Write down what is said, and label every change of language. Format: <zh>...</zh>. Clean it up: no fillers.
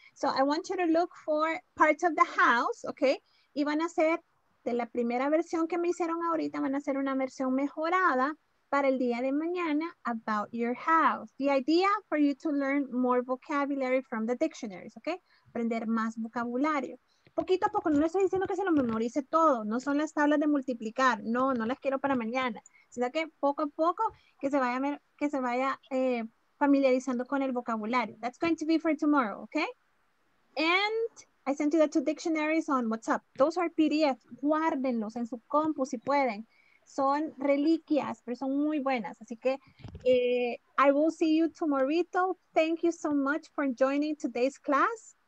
<en>So I want you to look for parts of the house, okay?</en> <es>Y van a hacer de la primera versión que me hicieron ahorita, van a hacer una versión mejorada para el día de mañana</es> <en>about your house. The idea for you to learn more vocabulary from the dictionaries, okay?</en> <es>Aprender más vocabulario. Poquito a poco, no les estoy diciendo que se lo memorice todo, no son las tablas de multiplicar, no, no las quiero para mañana, sino que poco a poco que se vaya familiarizando con el vocabulario.</es> <en>That's going to be for tomorrow, okay? And I sent you the two dictionaries on WhatsApp. Those are PDF,</en> <es>guárdenlos en su compu si pueden. Son reliquias, pero son muy buenas. Así que</es> <en>I will see you tomorrow. Thank you so much for joining today's class.</en>